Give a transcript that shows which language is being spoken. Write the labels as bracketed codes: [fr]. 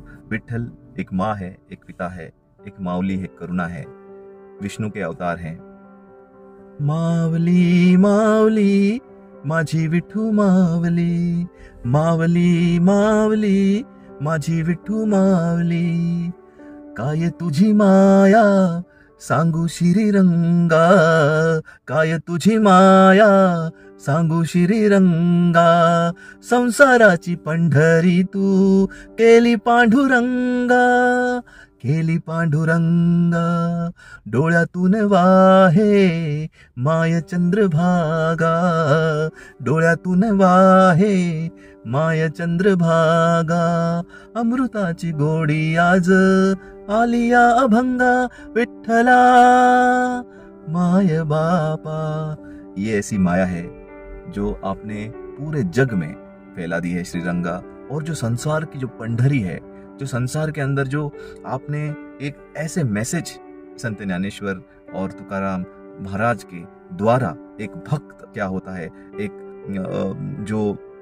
[hi] विठल एक माँ है, एक पिता है, एक मावली है, करुणा है, विष्णु के अवतार हैं। [mr] मावली मावली माझी विठू मावली, मावली मावली माझी विठू मावली, काय तुझी माया सांगू श्री रंगा, काय तुझी माया सांगू श्री रंगा, संसाराची पंढरी तू केली पांडुरंगा, केली पांडुरंगा, डोळ्यातून वाहे माय चंद्रभागा, डोळ्यातून वाहे माय चंद्रभागा, अमृताची गोडी आज आलिया अभंगा, विठ्ठला माय बापा। [hi] ये ऐसी माया है जो आपने पूरे जग में फैला दी है श्रीरंगा, और जो संसार की जो पंढरी है, जो संसार के अंदर जो आपने एक ऐसे मैसेज संत ज्ञानेश्वर और तुकाराम महाराज के द्वारा, एक भक्त क्या होता है, एक जो